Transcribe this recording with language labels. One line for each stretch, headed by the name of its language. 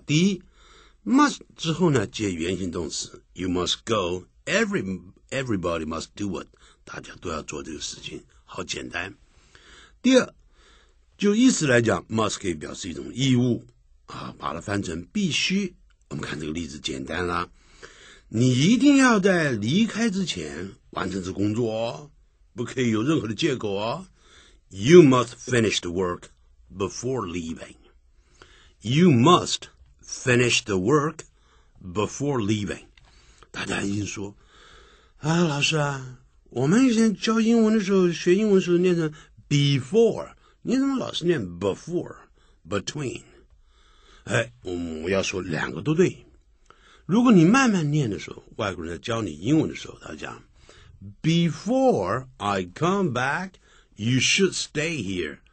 Chinese: 第一 ，must 之后呢，接原形动词 ，
English: you must go， everybody must do it，
Chinese: 大家都要做这个事情，好简单。第二，就意思来讲 ，must 可以表示一种义务，啊，把它翻成必须。我们看这个例子简单了，你一定要在离开之前完成这工作哦，不可以有任何的借口哦。
English: You must finish the work before leaving. You must finish the work before leaving.
Chinese: 大家已经说啊，老师啊，我们以前教英文的时候，学英文的时候念成 before， 你怎么老是念 before， between？哎，我要说两个都对。如果你慢慢念的时候，外国人在教你英文的时候，他讲 ，
English: Before I come back, you should stay here。